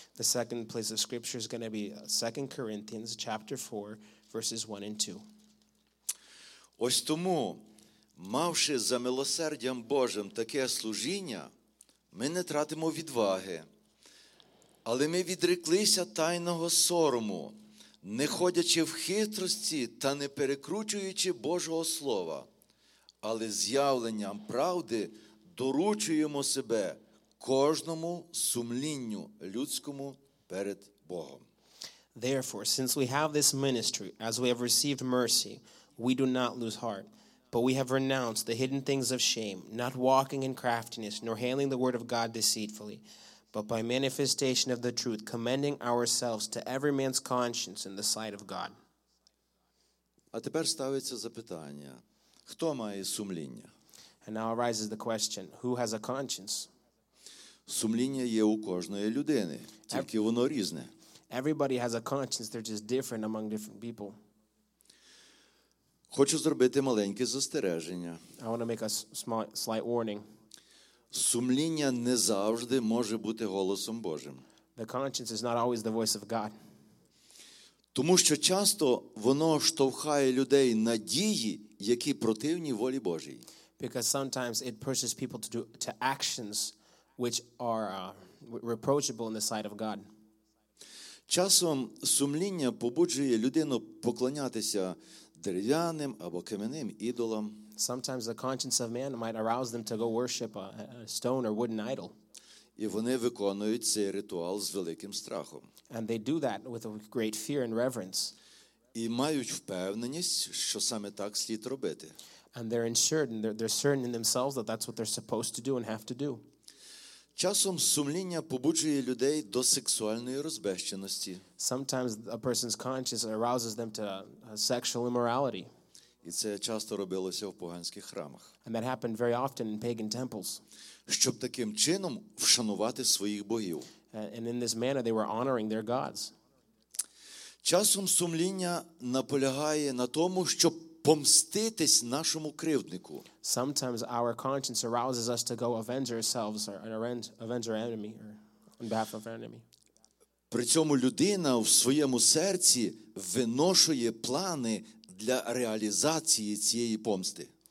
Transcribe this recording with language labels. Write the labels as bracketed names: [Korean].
[English] The second place of scripture is going to be 2 Corinthians chapter 4, verses 1 and 2. [Ukrainian] Ось тому, мавши за милосердям Божим таке служіння, ми не тратимо відваги. Але ми відреклися тайного сорому, не ходячи в хитрості та не перекручуючи Божого слова, але з'явленням правди доручуємо себе кожному сумлінню людському перед Богом. [English] Therefore, since we have this ministry, as we have received mercy, we do not lose heart, but we have renounced the hidden things of shame, not walking in craftiness, nor handling the word of God deceitfully, but by manifestation of the truth, commending ourselves to every man's conscience in the sight of God. [Ukrainian] А тепер ставиться запитання, хто має сумління? [English] And now arises the question, who has a conscience? [Ukrainian] Сумління є у кожної людини, тільки воно різне. [English] Everybody has a conscience, they're just different among different people. [Ukrainian] Хочу зробити маленьке застереження. [English] I want to make a small, slight warning. [Ukrainian] Сумління не завжди може бути голосом Божим. [English] The conscience is not always the voice of God. [Ukrainian] Тому що часто воно штовхає людей на дії, які противні волі Божій. [English] Because sometimes it pushes people to actions which are reproachable in the sight of God. [Ukrainian] Часом сумління побуджує людину поклонятися дерев'яним або кам'яним ідолам. [English] Sometimes the conscience of man might arouse them to go worship a stone or wooden idol. [Ukrainian] І вони виконують цей ритуал з великим страхом. [English] And they do that with a great fear and reverence. [Ukrainian] І мають впевненість, що саме так слід робити. [English] And they're assured and they're certain in themselves that that's what they're supposed to do and have to do. [Ukrainian] Часом сумління побуджує людей до сексуальної розбещеності. [English] Sometimes a person's conscience arouses them to sexual immorality. [Ukrainian] І це часто робилося в поганських храмах. [English] And that happened very often in pagan temples. [Ukrainian] Щоб таким чином вшанувати своїх богів. [English] And in this manner they were honoring their gods. [Ukrainian] Часом сумління наполягає на тому, щоб помститись нашому кривднику. [English] Sometimes our conscience arouses us to go avenge ourselves or avenge our enemy or on behalf of our enemy. [Ukrainian] При цьому людина в своєму серці виношує плани для реалізації цієї помсти.